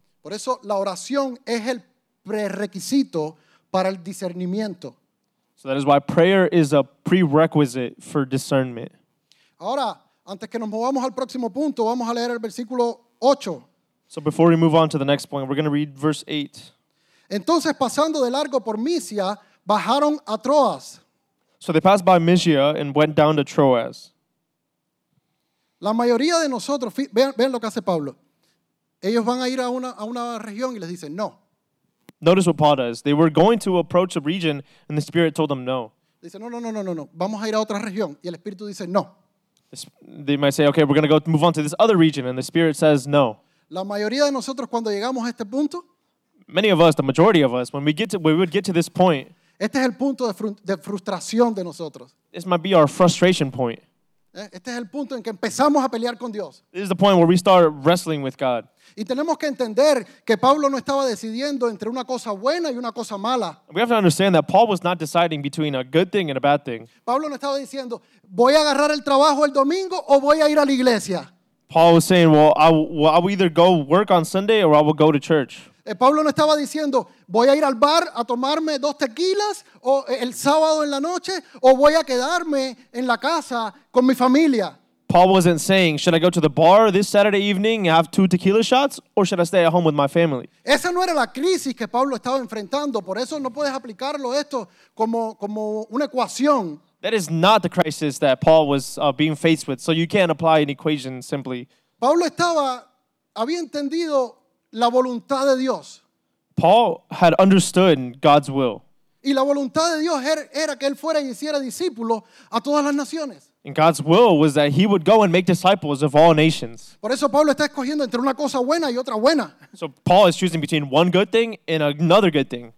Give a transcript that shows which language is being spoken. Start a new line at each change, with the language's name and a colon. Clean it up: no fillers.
Spanish: Por eso la oración es el prerequisito para el discernimiento.
English: So that is why prayer is a prerequisite for discernment.
Spanish: Ahora, antes que nos movamos al próximo punto, vamos a leer el versículo 8.
English: So before we move on to the next point, we're going to read verse 8.
Spanish: Entonces, pasando de largo por Misia, bajaron a Troas.
English: So they passed by Mysia and went down to Troas.
Spanish: La mayoría de nosotros, vean lo que hace Pablo. Ellos van a ir a una región y les dicen no.
English: Notice what Paul does. They were going to approach a region and the Spirit told them no.
Spanish: Dice no. Vamos a ir a otra región. Y el Espíritu dice no.
English: They might say, okay, we're going to go move on to this other region. And the Spirit says no.
Spanish: La mayoría de nosotros cuando llegamos a este punto,
English: many of us, the majority of us, when we would get to this point,
Spanish: este es el punto de frustración de nosotros.
English: This might be our frustration point.
Spanish: Este es el punto en que empezamos a pelear con Dios.
English: This is the point where we start wrestling with God.
Spanish: Y tenemos que entender que Pablo no estaba decidiendo entre una cosa buena y una cosa mala.
English: We have to understand that Paul was not deciding between a good thing and a bad thing.
Spanish: Pablo no estaba diciendo, voy a agarrar el trabajo el domingo o voy a ir a la iglesia.
English: Paul was saying, well, I will either go work on Sunday or I will go to church.
Spanish: Pablo no estaba diciendo, voy a ir al bar a tomarme dos tequilas o el sábado en la noche o voy a quedarme en la casa con mi familia.
English: Paul wasn't saying, should I go to the bar this Saturday evening and have two tequila shots or should I stay at home with my family?
Spanish: Esa no era la crisis que Pablo estaba enfrentando, por eso no puedes aplicarlo esto como una ecuación.
English: That is not the crisis that Paul was being faced with. So you can't apply an equation simply.
Spanish: Pablo estaba, había entendido la voluntad de Dios.
English: Paul had understood God's will.
Spanish: Y la voluntad de Dios era que él fuera y hiciera discípulos a todas las naciones.
English: And God's will was that he would go and make disciples of all nations.
Spanish: Por eso Pablo está escogiendo entre una cosa buena y otra buena.
English: So Paul is choosing between one good thing and another good thing.